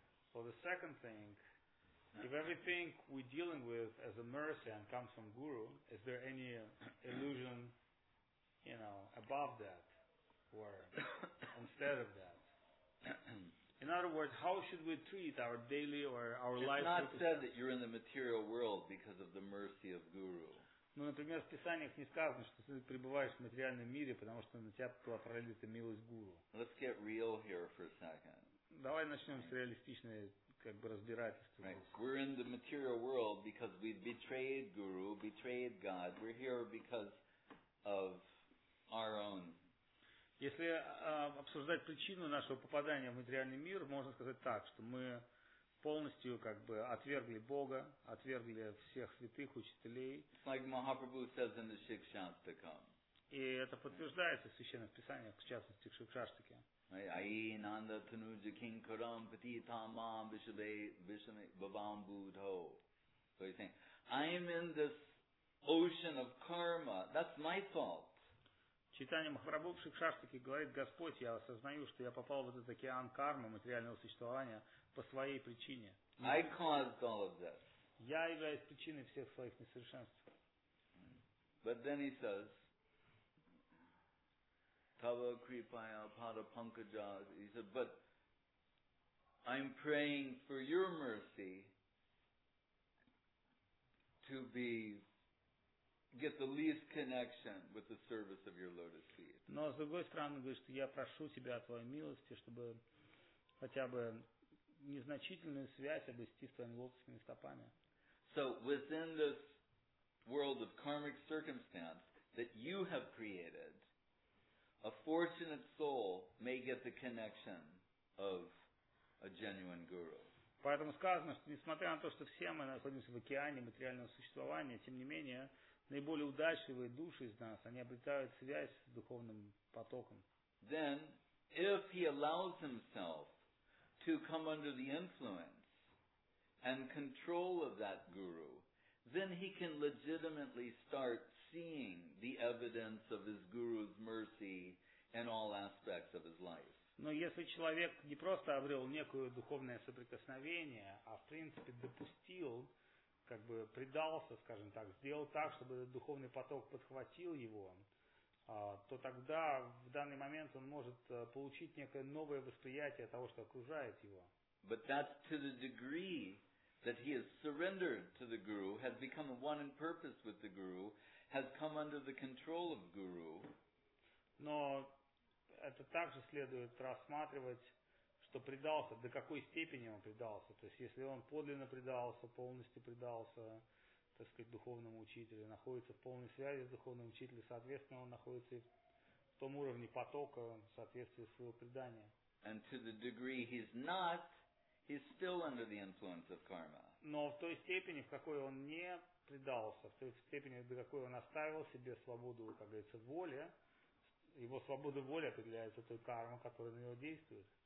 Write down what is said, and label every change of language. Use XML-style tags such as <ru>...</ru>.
<en>So the second thing, if everything we're dealing with as a mercy and comes from guru, is there any illusion, you know, above that or instead of that? In other words, how should we treat our daily or our it's life? It's not said that you're in the material world because of the mercy of guru.</en> <ru>Ну, например, в Писаниях не сказано, что ты пребываешь в материальном мире, потому что на тебя была пролита милость гуру.</ru> <en>Let's get real here for a second.</en> <ru>Давай начнем с реалистичной, как бы, разбирательства.</ru> <en>Right. We're in the material world because we betrayed guru, betrayed God. We're here because of our own.</en> <ru>Если обсуждать причину нашего попадания в материальный мир, можно сказать так, что мы полностью как бы отвергли Бога, отвергли всех святых учителей.</ru> <en>It's like Mahaprabhu says in the Shikshastakam.</en> <ru>И это подтверждается в Священных Писаниях, в частности, в Шикшаштаке.</ru> <sa>Ай, нанда тануджа кинкарам пати тамам вишаве вишаме бабам будхо.</sa> <en>So he's saying, I'm in this ocean of karma. That's my fault.</en> <ru>Читание Махапрабху в Шикшаштике говорит, Господь, я осознаю, что я попал в этот океан кармы материального существования по своей причине.</ru> <en>I caused all of this.</en> <ru>Я являюсь причиной всех своих несовершенств.</ru> <en>But then he says,</en> <sa>Tava kripaya pada pankaja.</sa> <en>He said, but I'm praying for your mercy to be get the least connection with the service of your lotus feet.</en> <ru>Но с другой стороны, говорит, что я прошу тебя о твоей милости, чтобы хотя бы незначительную связь обрести с твоими лотосными стопами.</ru> <en>So within this world of karmic circumstance that you have created, a fortunate soul may get the connection of a genuine guru.</en> <ru>Поэтому сказано, что несмотря на то, что все мы находимся в океане материального существования, тем не менее наиболее удачливые души из нас, они обретают связь с духовным потоком.</ru> <en>Then, if he allows himself to come under the influence and control of that guru, then he can legitimately start seeing the evidence of his guru's mercy in all aspects of his life.</en> <ru>Но если человек не просто обрел некое духовное соприкосновение, а в принципе допустил, как бы предался, скажем так, сделал так, чтобы этот духовный поток подхватил его, то тогда в данный момент он может получить некое новое восприятие того, что окружает его.</ru> <en>But that's to the degree that he has surrendered to the guru, has become one in purpose with the guru, has come under the control of guru.</en> <ru>Но это также следует рассматривать, что предался, до какой степени он предался. То есть, если он подлинно предался, полностью предался, так сказать, духовному учителю, находится в полной связи с духовным учителем, соответственно, он находится и в том уровне потока в соответствии с его преданием.</ru> <en>And to the degree he's not, he's still under the influence of karma.</en> <ru>Но в той степени, в какой он не предался, в той степени, до какой он оставил себе свободу, как говорится, воли, его свобода воли определяется той кармой, которая на него действует.</ru>